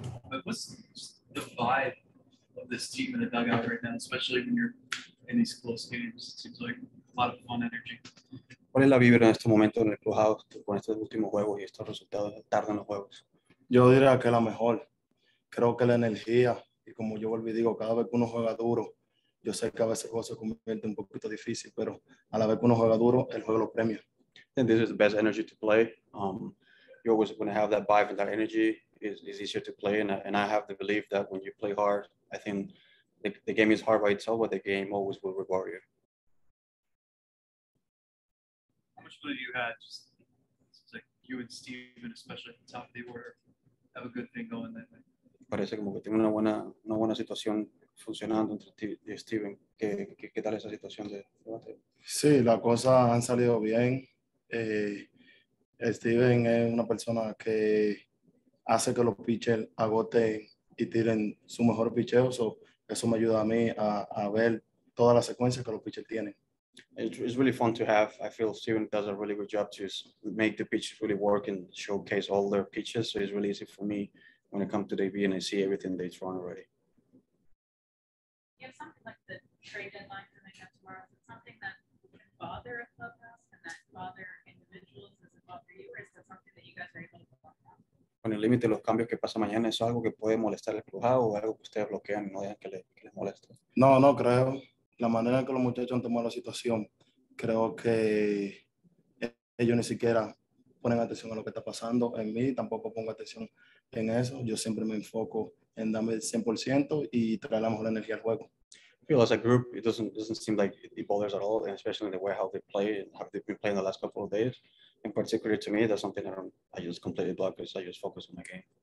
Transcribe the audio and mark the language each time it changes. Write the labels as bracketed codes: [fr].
[en] But what's the vibe of this team in the dugout right now, especially when you're in these close games? It seems like a lot of fun energy. [es] ¿Cuál es la vibra en este momento en el clubhouse con estos últimos juegos y estos resultados tarde en los juegos? Yo diría que la mejor. Creo que la energía, y como yo volví digo, cada vez que uno juega duro, yo sé que a veces el juego se convierte un poquito difícil, pero a la vez que uno juega duro, el juego lo premia. [en] And this is the best energy to play. You always want to have that vibe and that energy is easier to play. And I have the belief that when you play hard, I think the game is hard by itself, but the game always will reward you. How much fun have you had? Just like you and Steven, especially at the top of the order, have a good thing going that way. [es] Parece como que tiene una buena situación funcionando entre Steven. ¿Qué tal esa situación de debate? Sí, las cosas han salido bien. Steven es una persona que hace que los pitchers agoten y tiren su mejor picheo. So eso me ayuda a mí a ver todas las secuencias que los pitchers tienen. [en] It's really fun to have. I feel Steven does a really good job to make the pitches really work and showcase all their pitches. So it's really easy for me when it comes to the AB and I see everything they've thrown already. You have something like the trade deadline coming up tomorrow. Is it something that can bother a clubhouse and that bother individuals? Does it bother you, or is that something that you guys are able to block out? [es] Con el límite de los cambios que pasa mañana, ¿es algo que puede molestar el clubhouse o algo que ustedes bloquean y no dejan que les moleste? No, creo. La manera en que los muchachos han tomado la situación, creo que ellos ni siquiera ponen atención a lo que está pasando en mí, tampoco pongo atención en eso. Yo siempre me enfoco en darme el 100% y traer la mejor energía al juego. [en] I feel as a group, it doesn't seem like it bothers at all, and especially the way how they play and how they've been playing the last couple of days. In particular to me, that's something that I just completely block because I just focus on my game.